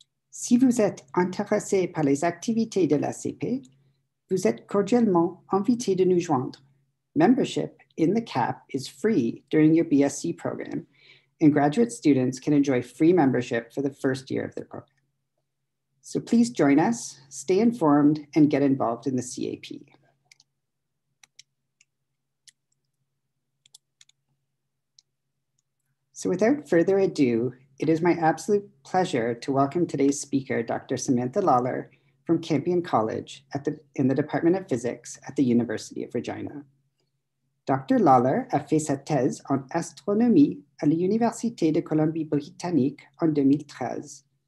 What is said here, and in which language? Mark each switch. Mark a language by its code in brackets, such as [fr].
[fr] Si vous êtes intéressé par les activités de l'ACP, vous êtes cordialement invité de nous joindre. [en] Membership in the CAP is free during your BSc program, and graduate students can enjoy free membership for the first year of their program. So please join us, stay informed, and get involved in the CAP. So without further ado, it is my absolute pleasure to welcome today's speaker, Dr. Samantha Lawler from Campion College in the Department of Physics at the University of Regina. Dr. [fr] Lawler a fait sa thèse en astronomie à l'Université de Colombie-Britannique en 2013.